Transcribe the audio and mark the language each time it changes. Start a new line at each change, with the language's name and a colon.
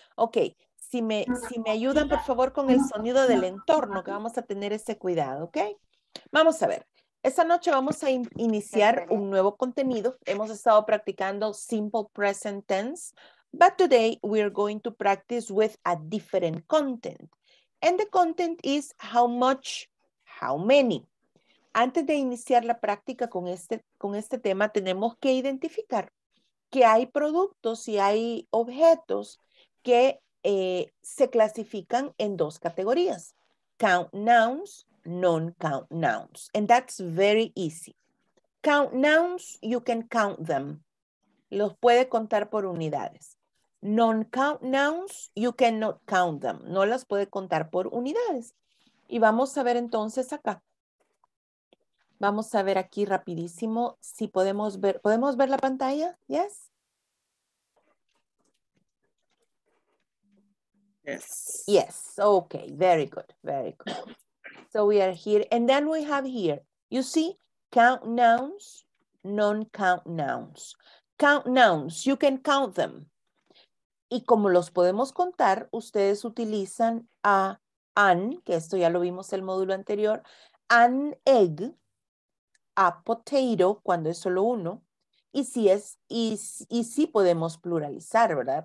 Spanish: Okay, si me ayudan, por favor, con el sonido del entorno, que vamos a tener ese cuidado, okay? Vamos a ver. Esta noche vamos a iniciar un nuevo contenido.
English: Hemos estado practicando simple present tense, but today we are going to practice with a different content. And the content is how much, how many.
Spanish: Antes de iniciar la práctica con este tema, tenemos que identificar que hay productos y hay objetos que se clasifican en dos categorías.
English: Count nouns, non-count nouns. And that's very easy. Count nouns, you can count them.
Spanish: Los puede contar por unidades.
English: Non-count nouns, you cannot count them.
Spanish: No las puede contar por unidades. Y vamos a ver entonces acá. Vamos a ver aquí rapidísimo si podemos ver. ¿Podemos ver la pantalla? Yes.
English: Yes. Yes. Okay. Very good. Very good. So we are here. And then we have here, you see, count nouns, non-count nouns. Count nouns, you can count them.
Spanish: Y como los podemos contar, ustedes utilizan a an, que esto ya lo vimos el módulo anterior,
English: an egg, a potato,
Spanish: cuando es solo uno, y si es, y si podemos pluralizar, ¿verdad?